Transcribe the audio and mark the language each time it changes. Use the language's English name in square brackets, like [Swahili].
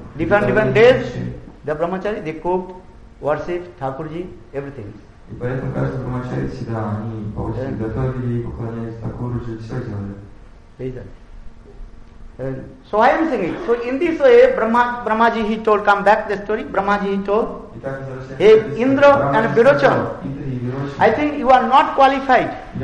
[English] Different days, the brahmachari, they cook, worship, Thakurji, everything. [Russian] И поэтому каждый брахмачари всегда, они по очереди готовили, поклонялись Thakurji, все делали. [English] So I am singing. So in this way, Brahmaji he told, come back the story, Brahmaji he told, hey, Indra and Virochan, I think you are not qualified.